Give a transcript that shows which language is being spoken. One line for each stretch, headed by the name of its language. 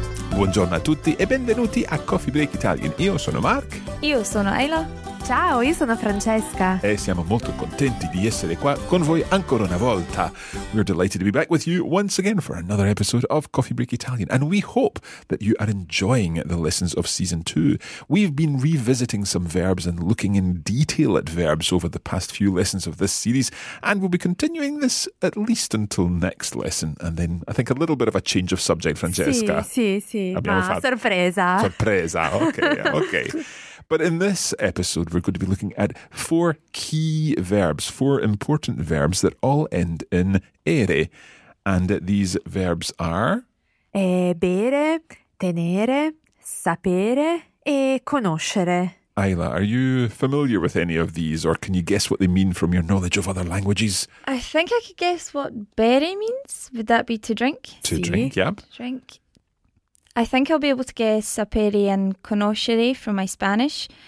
Italian: Buongiorno a tutti e benvenuti a Coffee Break Italian. Io sono Mark. Io sono Ayla. Ciao, io sono Francesca. E siamo molto contenti di essere qua con voi ancora una volta.
English: We're delighted to be back with you once again for another episode of Coffee Break Italian. And we hope that you are enjoying the lessons of Season 2. We've been revisiting some verbs and looking in detail at verbs over the past few lessons of this series. And we'll be continuing this at least until next lesson. And then I think a little bit of a change of subject, Francesca.
Italian: Sì, sì. Sorpresa.
English: Okay. But in this episode, we're going to be looking at four key verbs, four important verbs that all end in ere. And these verbs are...
Italian: Bere, tenere, sapere e conoscere.
English: Ayla, are you familiar with any of these, or can you guess what they mean from your knowledge of other languages? I think I could guess what bere means. Would that be to drink? To drink. I think I'll be able to guess sapere and conoscere from my Spanish.